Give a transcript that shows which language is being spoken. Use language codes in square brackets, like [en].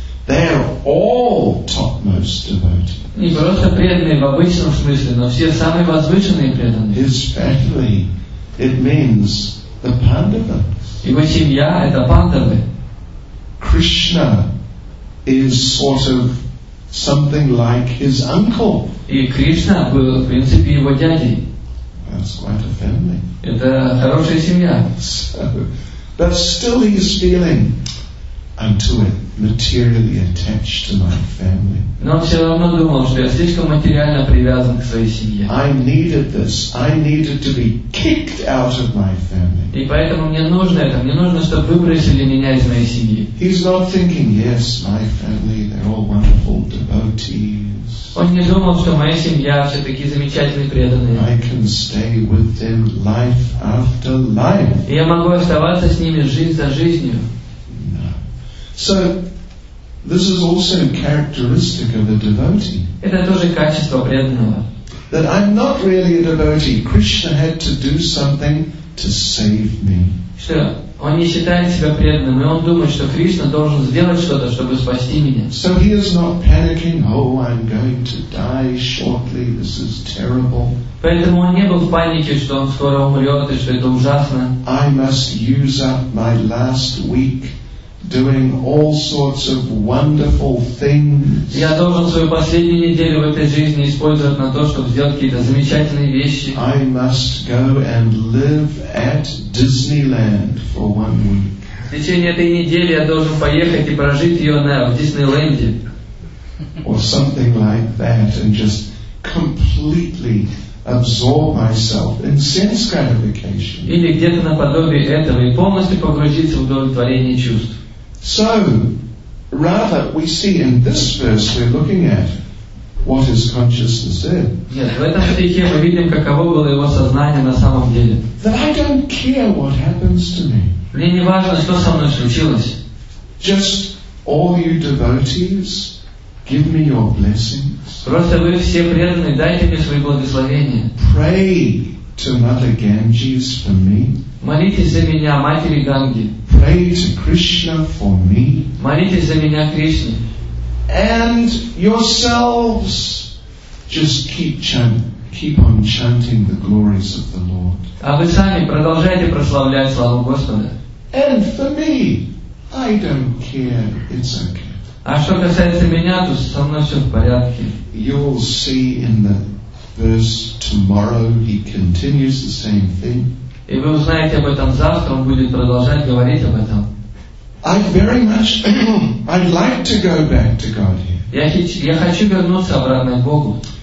[en] They are all topmost devotees. [ru] Не просто преданные в обычном смысле, но все самые возвышенные преданные. [en] His family, it means the Pandavas. [ru] Его семья — это Пандавы. [en] Krishna is sort of something like his uncle. [ru] И Кришна был, в принципе, его дядей. [en] That's quite a family. [ru] Это хорошая семья. [en] But still he's feeling unto it. Materially attached to my family. [ru] Но он все равно думал, что я слишком материально привязан к своей семье. [en] I needed this. I needed to be kicked out of my family. [ru] И поэтому мне нужно это. Мне нужно, чтобы выбросили меня из моей семьи. [en] He's not thinking, yes, my family, they're all wonderful devotees. [ru] Он не думал, что моя семья все такие замечательные преданные. [en] I can stay with them life after life. [ru] И я могу оставаться с ними жизнь за жизнью. [en] So, this is also a characteristic of a devotee. [ru] Это тоже качество преданного. [en] That I'm not really a devotee. Krishna had to do something to save me. [ru] Что он не считает себя преданным, и он думает, что Кришна должен сделать что-то, чтобы спасти меня. [en] So he is not panicking. Oh, I'm going to die shortly. This is terrible. [ru] Поэтому он не был в панике, что он скоро умрет и что это ужасно. [en] I must use up my last week. Doing all sorts of wonderful things. [ru] Я должен свою последнюю неделю в этой жизни использовать на то, чтобы сделать какие-то замечательные вещи. [en] I must go and live at Disneyland for one week. [ru] В течение этой недели я должен поехать и прожить ее на в Диснейленде. [en] Or something like that, and just completely absorb myself in sense gratification. [ru] Или где-то наподобие этого и полностью погрузиться в удовлетворение чувств. [en] So, rather, we see in this verse we're looking at what his consciousness did. [ru] Нет, в этом стихе мы видим, каково было его сознание на самом деле. [en] That I don't care what happens to me. [ru] Мне не важно, что со мной случилось. [en] Just All you devotees, give me your blessings. [ru] Просто вы все преданные, дайте мне свои благословения. [en] Pray to Mother Ganges for me. [ru] Молитесь за меня, матери Ганги. [en] Pray to Krishna for me. [ru] Молитесь за меня, Кришне. [en] And yourselves, just keep on chanting the glories of the Lord. [ru] А вы сами продолжайте прославлять славу Господа. [en] And for me, I don't care. It's okay. [ru] А что касается меня, то со мной все в порядке. [en] You'll see in the verse tomorrow, he continues the same thing. [ru] И вы узнаете об этом завтра, он будет продолжать говорить об этом. [en] I'd like to go back to Godhead. [ru] Я хочу вернуться обратно к Богу.